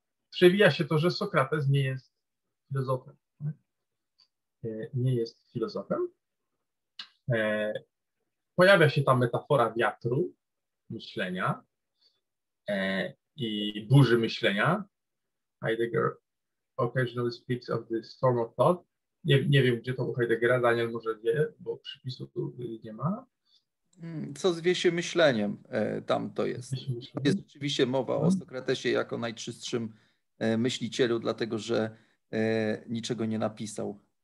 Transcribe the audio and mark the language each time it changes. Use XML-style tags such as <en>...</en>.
<pl>Przewija się to, że Sokrates nie jest filozofem. Nie jest filozofem. Pojawia się ta metafora wiatru myślenia i burzy myślenia.</pl> <en>Heidegger occasionally speaks of the storm of thought.</en> <pl>Nie wiem, gdzie to u Heideggera, Daniel może wie, bo przypisu tu nie ma. Co zwie się myśleniem, tam to jest. Jest rzeczywiście mowa o Sokratesie jako najczystszym myślicielu, dlatego że niczego nie napisał.</pl>